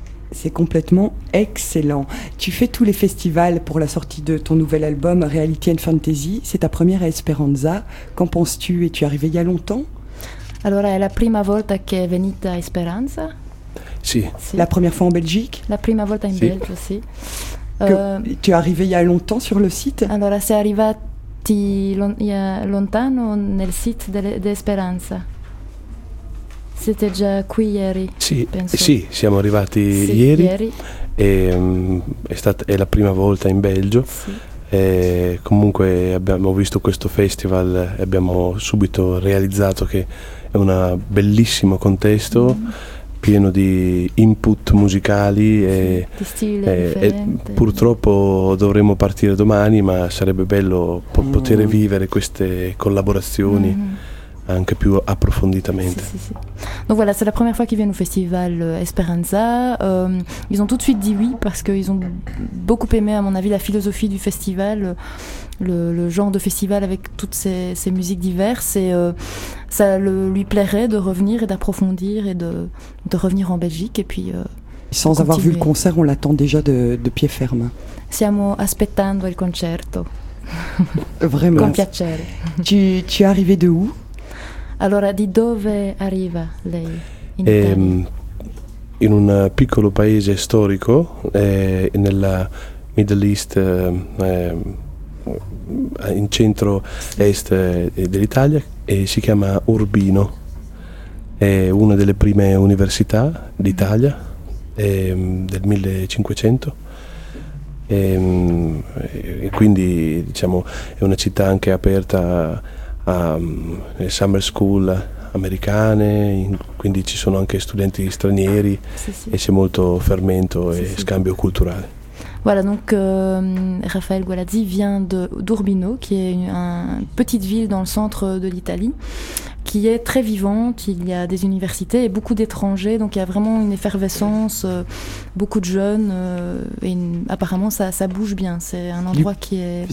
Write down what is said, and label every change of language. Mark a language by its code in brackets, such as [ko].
[fr] C'est complètement excellent. Tu fais tous les festivals pour la sortie de ton nouvel album Reality and Fantasy. C'est ta première à Esperanza. Qu'en penses-tu? Es-tu arrivée il y a longtemps? [it] Allora, è la prima volta che è venuta a Esperanza? Sì. [fr] La première fois en Belgique? [it] La prima volta in Belgio, sì. [fr] Tu es arrivée il y a longtemps sur le site? [it] Allora, sei arrivati lontano nel site d'Esperanza. [fr] C'était déjà qui [it] ieri? Sì, penso. Sì, siamo arrivati ieri. E, è la prima volta in Belgio. Sì. E, comunque abbiamo visto questo festival e abbiamo subito realizzato che è un bellissimo contesto pieno di input musicali e di stile differente. Purtroppo dovremo partire domani, ma sarebbe bello poter vivere queste collaborazioni. Anche più approfonditamente. [fr] Donc voilà, c'est la première fois qu'ils viennent au festival Esperanza. Ils ont tout de suite dit oui parce qu'ils ont beaucoup aimé, à mon avis, la philosophie du festival, le genre de festival avec toutes ces musiques diverses. Et ça lui plairait de revenir et d'approfondir et de revenir en Belgique. Et puis, sans avoir vu le concert, on l'attend déjà de pied ferme. [it] Siamo aspettando il concerto. [fr] Vraiment. [it] Con piacere. [fr] Tu es arrivé de où? [it] Allora, di dove arriva lei in Italia? In un piccolo paese storico, nella [en] Middle East, [it] in centro est dell'Italia, e si chiama Urbino. È una delle prime università d'Italia, del 1500. E quindi, diciamo, è una città anche aperta a summer school americane, quindi ci sono anche studenti stranieri e c'è molto fermento e scambio culturale. [fr] Voilà, donc Raphaël Gualazzi vient d'Urbino, qui est une petite ville dans le centre de l'Italie, qui est très vivante, il y a des universités et beaucoup d'étrangers, donc il y a vraiment une effervescence, beaucoup de jeunes, apparemment ça bouge bien, c'est un endroit qui est...